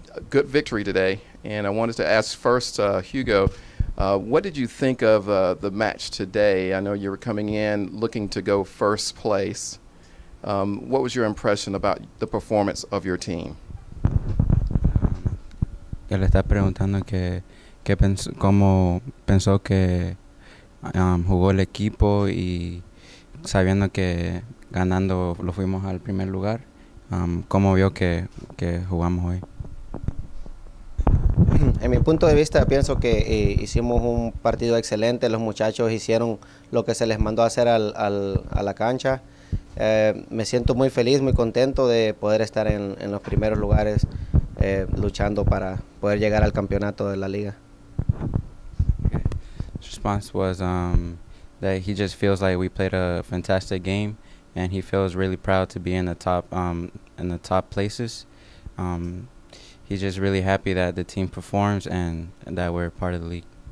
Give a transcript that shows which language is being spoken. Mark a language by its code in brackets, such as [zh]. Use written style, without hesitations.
[en] Good victory today, and I wanted to ask first, Hugo, what did you think of the match today? I know you were coming in looking to go first place. What was your impression about the performance of your team? [es] Él está preguntando qué pensó, cómo pensó que jugó el equipo y sabiendo que ganando lo fuimos al primer lugar, ¿cómo vio que jugamos hoy? En mi punto de vista, pienso que hicimos un partido excelente. Los muchachos hicieron lo que se les mandó hacer a la cancha. Me siento muy feliz, muy contento de poder estar en los primeros lugares luchando para poder llegar al campeonato de la liga. [en] His response was that he just feels like we played a fantastic game and he feels really proud to be in the top places. He's just really happy that the team performs and that we're part of the league.